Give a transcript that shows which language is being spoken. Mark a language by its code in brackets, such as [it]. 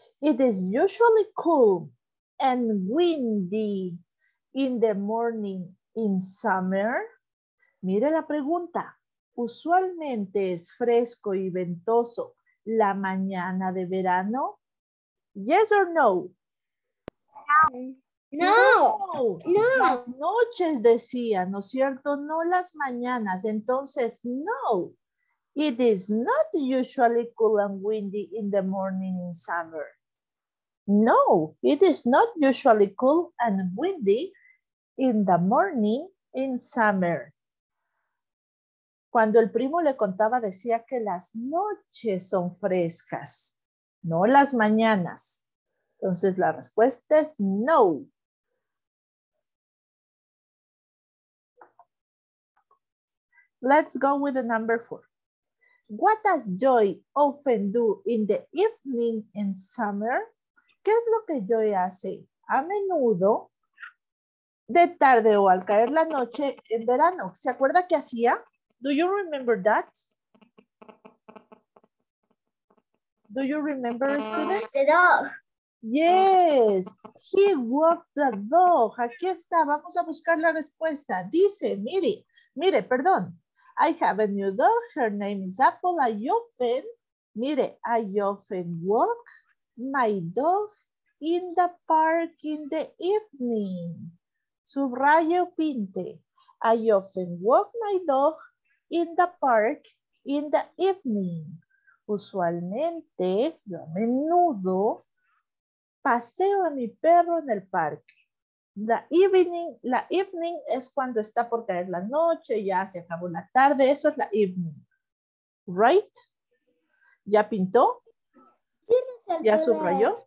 [en] It is usually cool and windy in the morning in summer. [es] Mire la pregunta. ¿Usualmente es fresco y ventoso la mañana de verano? [en] Yes or no? No. [es] No. No. Las noches decía, ¿no es cierto? No las mañanas. Entonces, no. [en] It is not usually cool and windy in the morning in summer. No, it is not usually cool and windy in the morning in summer. [es] Cuando el primo le contaba, decía que las noches son frescas, no las mañanas. Entonces la respuesta es no. [en] Let's go with the number four. What does Joy often do in the evening in summer? [es] ¿Qué es lo que Joy hace a menudo de tarde o al caer la noche en verano? ¿Se acuerda qué hacía? [en] Do you remember that? Do you remember, students? The dog. Yes, he walked the dog. [es] Aquí está, vamos a buscar la respuesta. Dice, mire, mire, perdón. [en] I have a new dog, her name is Apple. I often, mire, I often walk my dog in the park in the evening. [es] Subraye o pinte. [en] I often walk my dog in the park in the evening. [es] Usualmente, yo a menudo paseo a mi perro en el parque. La evening es cuando está por caer la noche, ya se acabó la tarde, eso es la evening. Right? ¿Ya pintó? ¿Ya subrayó?